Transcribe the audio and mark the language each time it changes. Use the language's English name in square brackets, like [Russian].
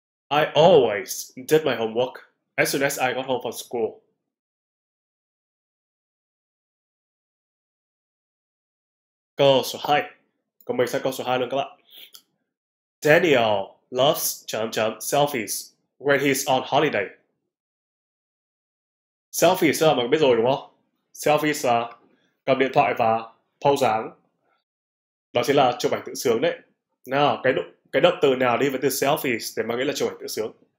[English] I always did my homework as soon as I got home from school. [Vietnamese] Câu số 2. Còn mình sang câu số 2 luôn các bạn. [English] Daniel loves [Vietnamese] chấm chấm [English] selfies when he's on holiday. [Vietnamese] Selfies là mọi người biết rồi đúng không? Selfies là cầm điện thoại và pose dáng. Đó chính là chụp ảnh tự sướng đấy. Nào, cái động từ nào đi với từ selfies để mà nghĩa là chụp ảnh tự sướng?